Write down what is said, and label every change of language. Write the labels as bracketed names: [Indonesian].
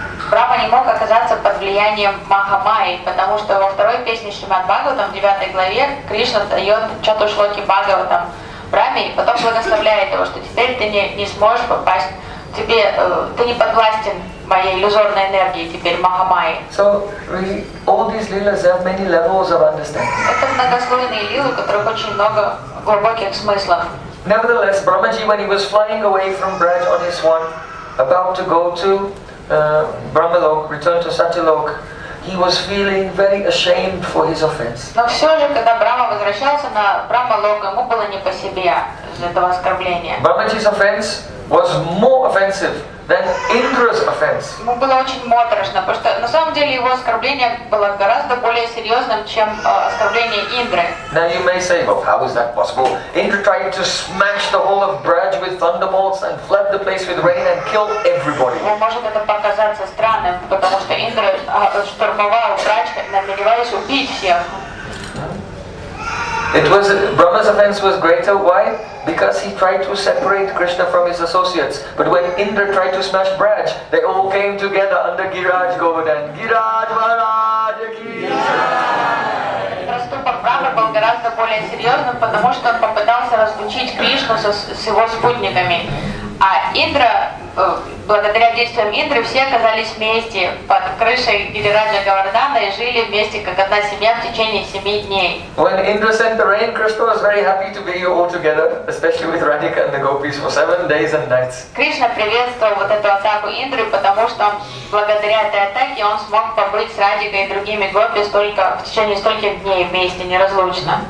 [Russian] Брахма не мог оказаться под влиянием Махамаи, потому что во второй песне Шримад Бхагаватам, в 9 главе, Кришна дает Чатушлоки Бхагаватам Брахме и потом благословляет его, что теперь ты не сможешь попасть, тебе ты не подвластен моей иллюзорной энергии теперь Махамаи. [English] So really, all these lilas have many levels of understanding. [Russian] Это многослойные лилы, которых очень много глубоких смыслов. [English] Nevertheless, Brahmaji, when he was flying away from Braj on his swan, about to go to Brahmalok, return to Satyalok, he was feeling very ashamed for his offense. [Russian] Но все же, когда Брама возвращался на Брамалока, ему было не по себе из-за этого оскорбления. [English] Брамати's offense was more offensive than Indra's offense. [Russian] Ему было очень мотрошно, потому что на самом деле его оскорбление было гораздо более серьезным, чем оскорбление Индры. [English] Now you may say, well, how is that possible? Indra tried to smash the whole of Braj with thunderbolts and flood the place with rain and kill everybody. [Russian] Ну, может это показаться странным, потому что Индра штурмовал Брадж, намереваясь убить всех. [English] It was Brahma's offense was greater. Why? Because he tried to separate Krishna from his associates. But when Indra tried to smash Braj, they all came together under Giraj Govardhan. [Hindi] Giraj Maharaj ki jai. [Russian] Проступок Брамы был гораздо более серьезным, потому что он попытался разлучить Кришну с его спутниками. А Индра, благодаря действиям Индры, все оказались вместе под крышей Гирираджа Говардана и жили вместе как одна семья в течение 7 дней. [English] When Indra sent the rain, Krishna was very happy to be all together, especially with Radhika and the gopis for 7 days and nights. [Russian] Кришна приветствовал вот эту атаку Индры, потому что благодаря этой атаке он смог побыть с Радикой и другими гопи в течение стольких дней вместе, неразлучно.